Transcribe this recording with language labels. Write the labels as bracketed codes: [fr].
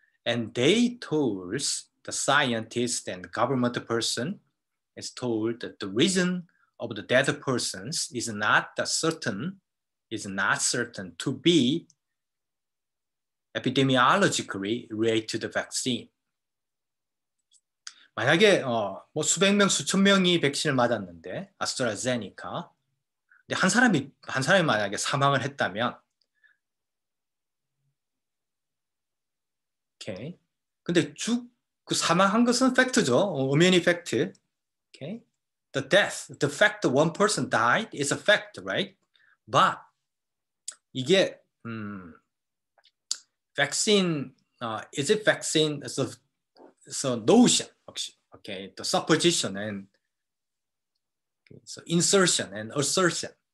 [en] And they told the scientist and government person is told that the reason of the dead persons is not certain to be epidemiologically related to the vaccine. [ko] 만약에 뭐 수백 명 수천 명이 백신을 맞았는데 아스트라제네카, 근데 한 사람이 만약에 사망을 했다면, [en] okay. [ko] 근데 그 사망한 것은 팩트죠. 엄연히 팩트. [en] Okay. The death, the fact that one person died is a fact, right? But [ko] 이게 [en] vaccine, is it vaccine? It's a notion, okay, the supposition and okay, so insertion and assertion.